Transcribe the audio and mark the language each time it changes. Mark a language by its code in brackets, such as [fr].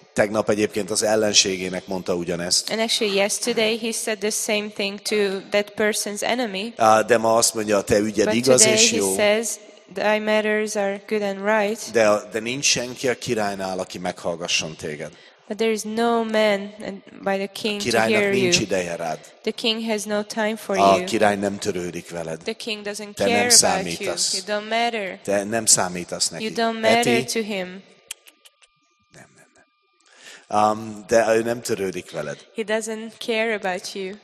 [hu] Tegnap egyébként az ellenségének mondta ugyanezt. [en] And actually yesterday he said the same thing to that person's enemy. [hu] De ma azt mondja, a te ügyed [en] but [hu] igaz és jó. [en] But today he says, thy matters are good and right. [hu] De nincs senki a királynál, aki meghallgasson téged. [en] But there is no man by the king to hear you. [hu] Királynak nincs ideje rád. [en] The king has no time for [hu] a [en] you. [hu] A király nem törődik veled. [en] The king doesn't [hu] te [en] care [hu] nem [en] about you. You don't matter. [hu] Te nem számítasz neki. [en] You don't matter to him. [hu] De ő nem törődik veled. [en] He doesn't care about you.